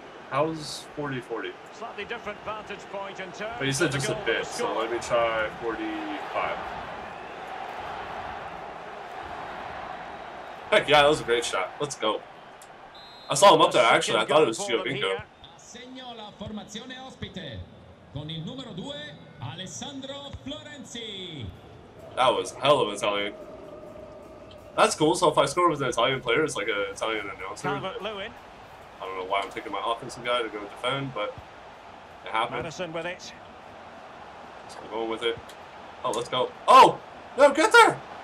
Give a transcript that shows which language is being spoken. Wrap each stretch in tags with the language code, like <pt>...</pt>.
<en>How's 40-40? Slightly different vantage point in terms. But you said just a bit, so let me try 45. Heck yeah, that was a great shot. Let's go. I saw him up there, actually. I thought it was Giovinco.</en> <it>Segno la formazione ospite. Con il numero due, Alessandro Florenzi.</it> <en>That was hell of Italian. That's cool. So if I score with an Italian player, it's like an Italian announcer. Calvert-Lewin. I don't know why I'm taking my offensive guy to go defend, but it happened. Madison with it. So I'm going with it. Oh, let's go. Oh! No, get there!</en>